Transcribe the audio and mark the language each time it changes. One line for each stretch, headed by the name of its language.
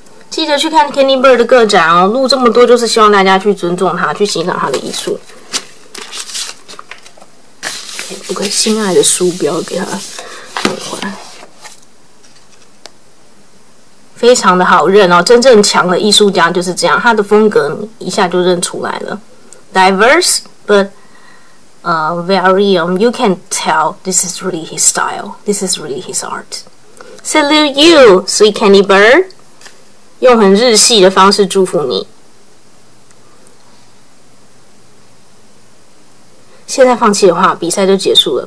Chinese: 记得去看 Candy Bird 的个展哦，录这么多就是希望大家去尊重他，去欣赏他的艺术。 Okay， 不过心爱的书不要给他弄坏，非常的好认哦。真正强的艺术家就是这样，他的风格一下就认出来了。
English: Diverse but very you can tell this is really his style, this is really his art. Salute you, sweet Candy Bird.
Chinese: 用很日系的方式祝福你。现在放弃的话，比赛就结束了。